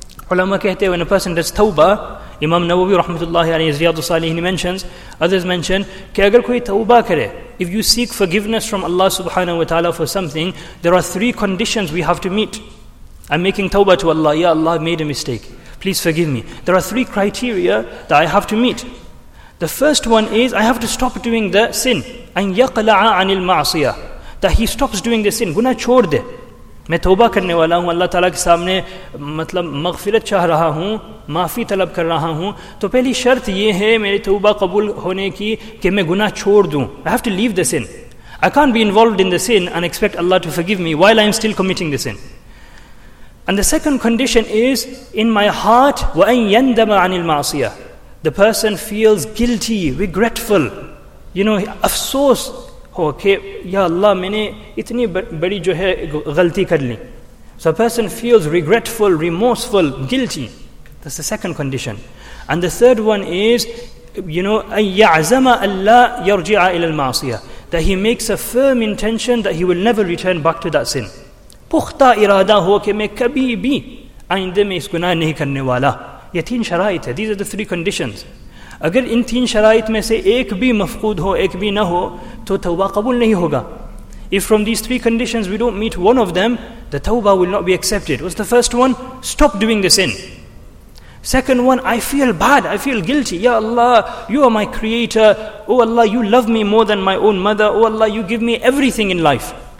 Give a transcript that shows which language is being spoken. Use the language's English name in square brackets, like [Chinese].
[Urdu] Ulama kehte hai, [English] when a person does tawbah, Imam Nawawi rahmatullahi alayhi Ziyadu Salihin mentions, others mention, [Urdu] ke agar koi tawbah kare, [English] if you seek forgiveness from Allah subhanahu wa ta'ala for something, there are three conditions we have to meet. I'm making tawbah to Allah. Ya Allah, I made a mistake. Please forgive me. There are three criteria that I have to meet. The first one is, I have to stop doing the sin. [Arabic] أَنْ يَقْلَعَ عَنِ الْمَعْصِيَةِ, [English] that he stops doing the sin. [Urdu] Guna chhod de. میں توبہ کرنے والا ہوں, اللہ تعالیٰ کے سامنے مطلب مغفرت چاہ رہا ہوں, معافی طلب کر رہا ہوں. تو پہلی شرط یہ ہے میرے توبہ قبول ہونے کی کہ میں گناہ چھوڑ دوں. [English] I have to leave the sin. I can't be involved in the sin and expect Allah to forgive me while I am still committing the sin. And the second condition is, in my heart, [Arabic] وَأَنْ يَنْدَمَ عَنِ الْمَعْصِيَةِ, [English] the person feels guilty, regretful, you know, افسوس, okay, [Urdu] Ya Allah, maine itni badi jo hai galti kar li. [English] So a person feels regretful, remorseful, guilty. That's the second condition. And the third one is, you know, [Arabic] أَيَّعْزَمَ أَلَّا يَرْجِعَ إِلَى الْمَعْصِيَةِ, [English] that he makes a firm intention that he will never return back to that sin. [Urdu] پختہ ارادہ ہو کہ میں کبھی بھی آئندے میں اس گناہ نہیں کرنے والا. یہ تین شرائط ہے. [English] These are the three conditions. [Urdu] اگر ان تین شرائط میں سے ایک بھی مفقود ہو, ایک بھی نہ ہو, تو توبہ قبول نہیں ہوگا. [English] If from these three conditions we don't meet one of them, the tawbah will not be accepted. What's the first one? Stop doing the sin. Second one, I feel bad, I feel guilty. Ya Allah, you are my creator. Oh Allah, you love me more than my own mother. Oh Allah, you give me everything in life.